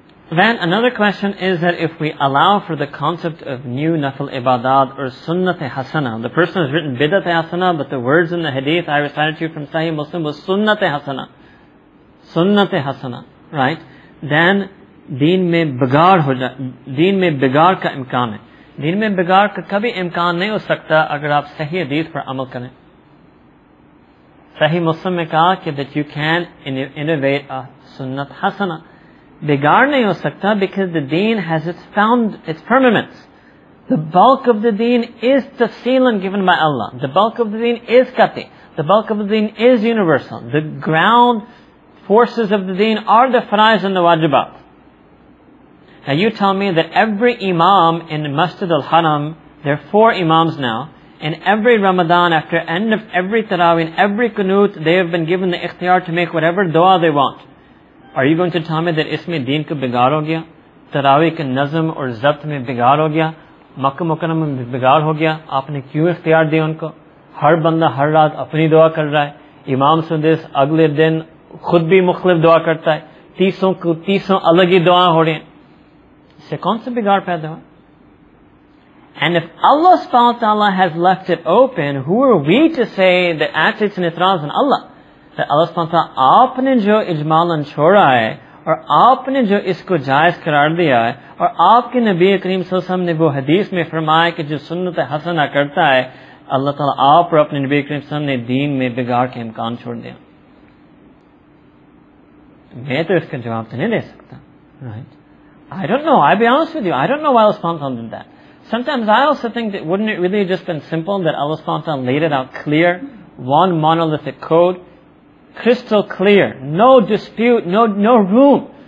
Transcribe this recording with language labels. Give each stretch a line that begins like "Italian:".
English: Then another question is that if we allow for the concept of new nafil ibadat or sunnat-e hasana, the person has written bidat-e hasana, but the words in the hadith I recited to you from Sahih Muslim was sunnat-e hasana.
Urdu: سنت حسنہ، right? Then دین میں بگاڑ ہو جائے، دین میں بگاڑ کا امکان ہے۔ دین میں بگاڑ کا کبھی امکان نہیں ہو سکتا اگر آپ صحیح حدیث پر عمل کریں۔ صحیح مسلم میں کہا کہ
English: that you can innovate a
Urdu: سنت حسنہ۔ Bigar nahi ho sakta
English: because the deen has its permanence. The bulk of the deen is tafsilan given by Allah. The bulk of the deen is qati. The bulk of the deen is universal. The ground forces of the deen are the faraiz and the wajibat. Now you tell me that every imam in Masjid al-Haram, there are four imams now, in every Ramadan after end of every tarawih, in every kunut, they have been given the ikhtiyar to make whatever dua they want. Are you going to tell me that
Urdu: اس میں دین کو بگاڑ ہو گیا؟ تراویح کے نظم اور ضبط میں بگاڑ ہو گیا؟ مکہ مکرم میں بگاڑ ہو گیا؟ آپ نے کیوں اختیار دیا ان کو؟ ہر بندہ ہر رات اپنی دعا کر رہا ہے۔ امام سن دیس اگلے دن خود بھی مختلف دعا کرتا ہے۔ تینوں کو تینوں الگ ہی دعا ہو رہی ہے۔ اس سے کون سا بگاڑ پیدا ہوا؟
English: And if Allah subhanahu wa ta'ala has left it open, who are we to say that atit and itraz on Allah?
Urdu: That اللہ سبحانہ و تعالیٰ، آپ نے جو اجمالاً چھوڑا ہے، اور آپ نے جو اس کو جائز قرار دیا ہے، اور آپ کے نبی اکرم صلی اللہ علیہ وسلم نے وہ حدیث میں فرمایا کہ جو سنت حسنہ کرتا ہے، اللہ تعالیٰ آپ اور اپنے نبی اکرم صلی اللہ علیہ وسلم نے دین میں بگاڑ کے امکان چھوڑ دیا۔
English: Right? I don't know. I'll be honest with you. I don't know why Allah subhanahu wa ta'ala did that. Sometimes I also think that wouldn't it really have just been simple that Allah subhanahu wa ta'ala laid it out clear, one monolithic code, crystal clear, no dispute, no room.